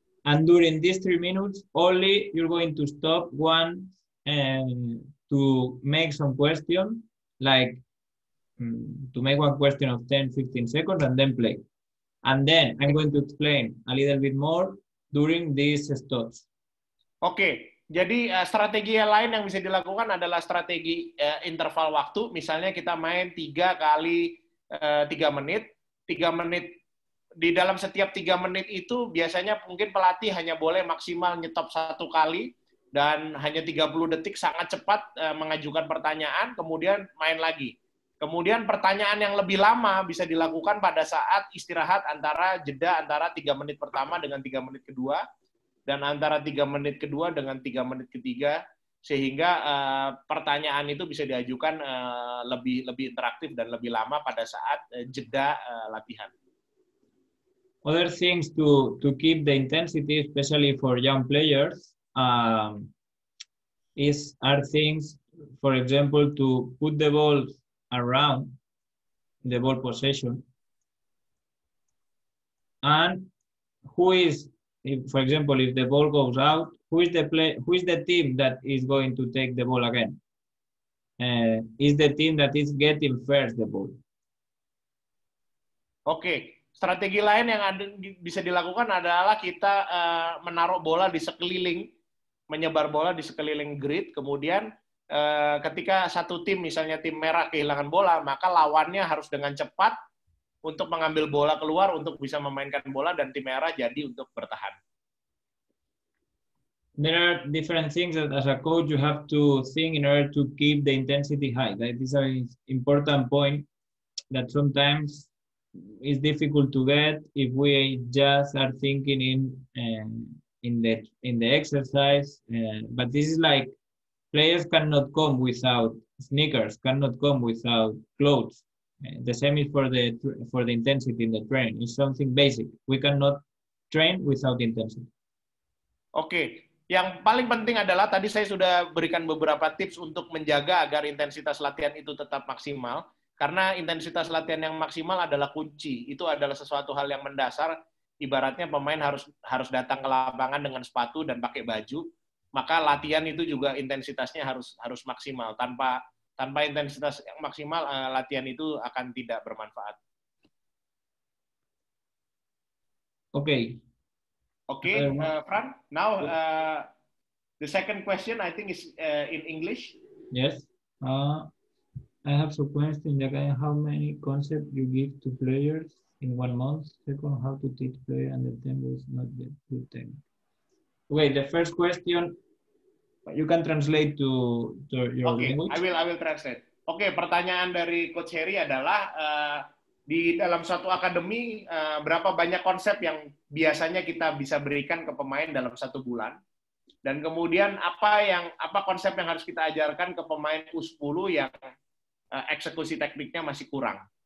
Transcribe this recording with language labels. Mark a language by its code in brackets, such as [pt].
[en] And during these 3 minutes, only you're going to stop one to make some question, like to make one question of 10, 15 seconds and then play. And then I'm going to explain a little bit more during these stops. Okay. [id] Jadi strategi yang lain yang bisa dilakukan adalah strategi interval waktu. Misalnya kita main 3 kali 3 menit. 3 menit di dalam setiap 3 menit itu biasanya mungkin pelatih hanya boleh maksimal nyetop 1 kali dan hanya 30 detik sangat cepat mengajukan pertanyaan kemudian main lagi. Kemudian pertanyaan yang lebih lama bisa dilakukan pada saat istirahat antara jeda antara 3 menit pertama dengan 3 menit kedua, dan antara 3 menit kedua dengan 3 menit ketiga, sehingga pertanyaan itu bisa diajukan lebih interaktif dan lebih lama pada saat jeda latihan. [en] Other things to keep the intensity, especially for young players, are things, for example, to put the ball around the ball possession. And who is, if, for example, if the ball goes out, who is the team that is going to take the ball again? Is the team that is getting first the ball. Okay. Strategi lain yang ada, bisa dilakukan adalah kita menaruh bola di sekeliling, menyebar bola di sekeliling grid, kemudian ketika satu tim, misalnya tim merah kehilangan bola, maka lawannya harus dengan cepat untuk mengambil bola keluar untuk bisa memainkan bola dan tim merah jadi untuk bertahan. There are different things that as a coach you have to think in order to keep the intensity high. That is an important point that sometimes it's difficult to get if we just are thinking in the exercise. But this is like players cannot come without sneakers, cannot come without clothes. The same is for the intensity in the training. It's something basic. We cannot train without intensity. Okay. [id] Yang paling penting adalah tadi saya sudah berikan beberapa tips untuk menjaga agar intensitas latihan itu tetap maksimal. Karena intensitas latihan yang maksimal adalah kunci. Itu adalah sesuatu hal yang mendasar. Ibaratnya pemain harus datang ke lapangan dengan sepatu dan pakai baju. Maka latihan itu juga intensitasnya harus maksimal. Tanpa intensitas yang maksimal, latihan itu akan tidak bermanfaat. [en] Okay, Fran. Now, the second question I think is in English. Yes. I have some questions, Jagan. How many concepts you give to players in 1 month? Second, how to teach players and the tempo is not the good thing. Wait, the first question, you can translate to your language. Okay, I will translate. [id] Okay, pertanyaan dari Coach Harry adalah, di dalam satu akademi, berapa banyak konsep yang biasanya kita bisa berikan ke pemain dalam satu bulan? Dan kemudian, apa konsep yang harus kita ajarkan ke pemain U10 yang eksekusi tekniknya masih kurang.